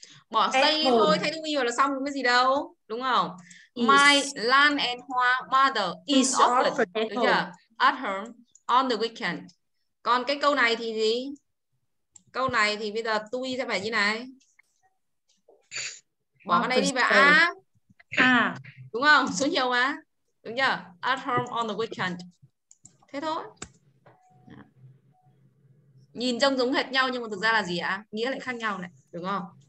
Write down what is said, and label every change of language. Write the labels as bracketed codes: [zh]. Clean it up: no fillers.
[vi] Bỏ say thôi, thay to be vào là xong, không có gì đâu. Đúng không? Is. [en] My Lan and Hua mother is often at home on the weekend. [vi] Còn cái câu này thì gì? Câu này thì bây giờ to be sẽ phải như này. Bỏ cái này đi và A. Đúng không? Số nhiều mà. Đúng chưa? [en] At home on the weekend. [vi] Thế thôi. Nhìn trông giống hệt nhau nhưng mà thực ra là gì ạ? Nghĩa lại khác nhau này, đúng không?